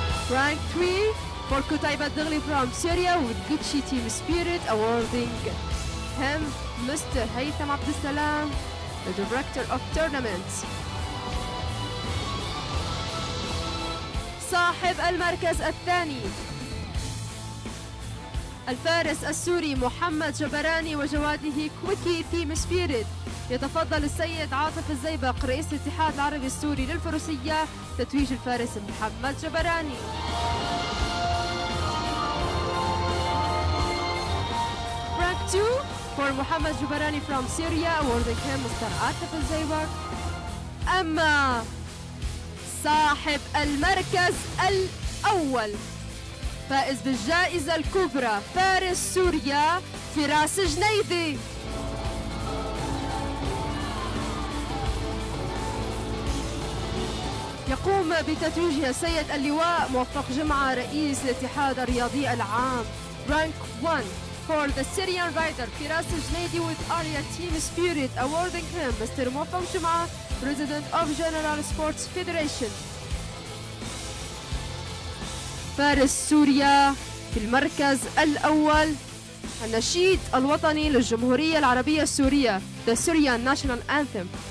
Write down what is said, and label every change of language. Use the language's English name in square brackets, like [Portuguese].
[English] Rank 3 for كتيبة دغلي from Syria with Gucci Team Spirit awarding him Mr. هيثم عبد السلام the director of tournaments. [Arabic] صاحب المركز الثاني الفارس السوري محمد جبراني وجواده كويكي تيم سبيريت يتفضل السيد عاطف الزيبق رئيس الاتحاد العربي السوري للفروسية تتويج الفارس محمد جبراني. [English] Rank 2 for محمد جبراني from Syria awarding him Mr. [Arabic] عاطف الزيبق. أما صاحب المركز الأول فائز بالجائزة الكبرى فارس سوريا فراس جنيدي. يقوم بتتويج السيد اللواء موفق جمعة رئيس الاتحاد الرياضي العام [English] Rank 1 for the Syrian rider فراس جنيدي with Aria Team Spirit awarding him Mr. موفق جمعة President of General Sports Federation. [Arabic] فارس سوريا في المركز الأول النشيد الوطني للجمهورية العربية السورية [English] The Syrian National Anthem.